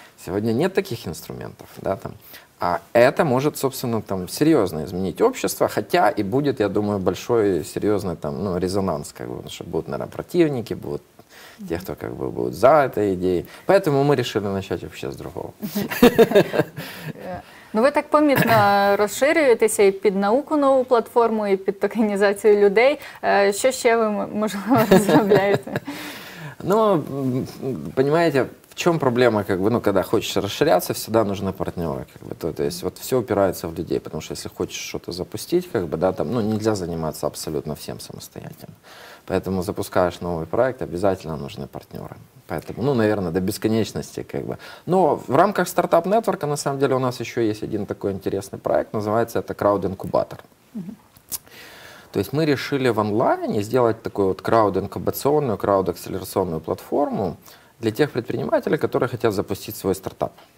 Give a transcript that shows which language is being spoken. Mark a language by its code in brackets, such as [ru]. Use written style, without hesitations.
[ru] Сегодня нет таких инструментов, да, там. А это может, собственно, там серьезно изменить общество, хотя и будет, я думаю, большой серьезный там, ну, резонанс, как бы, что будут, наверное, противники, будут те, кто, как бы, будут за этой идеей. Поэтому мы решили начать вообще с другого. [uk] Ну, ви так помітно розширюєтеся і під науку нову платформу, і під токенізацію людей. Що ще ви, можливо, розробляєте? Ну, розумієте, в чому проблема, як би, ну, коли хочеш розширятися, завжди потрібні партнери. [ru] Как бы, то есть, вот все [uk] опирається в людей, тому що, якщо хочеш щось запустити, как бы, да, там, ну, не можна займатися абсолютно всім самостоятельно. [ru] Поэтому запускаешь новый проект, обязательно нужны партнеры. Поэтому, ну, наверное, до бесконечности, как бы. Но в рамках стартап-нетворка, на самом деле, у нас еще есть один такой интересный проект, называется это крауд-инкубатор. Mm-hmm. То есть мы решили в онлайне сделать такую вот крауд-инкубационную, крауд-акселерационную платформу для тех предпринимателей, которые хотят запустить свой стартап.